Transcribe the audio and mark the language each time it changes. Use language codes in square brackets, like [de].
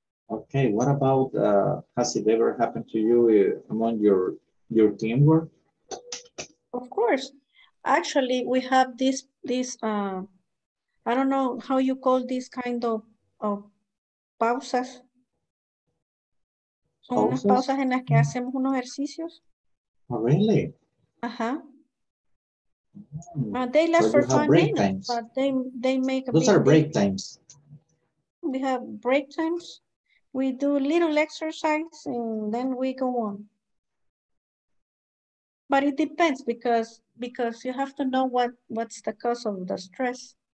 [en] Okay, what about, has it ever happened to you among your teamwork? Of course. Actually, we have this, I don't know how you call this kind of pausas. [es] Son unas pausas en las que hacemos unos ejercicios. [en] Oh, really? Uh-huh. They last for 5 minutes, but they make a big... Those are break times. We have break times. We do little exercise and then we go on. But it depends because you have to know what's the cause of the stress.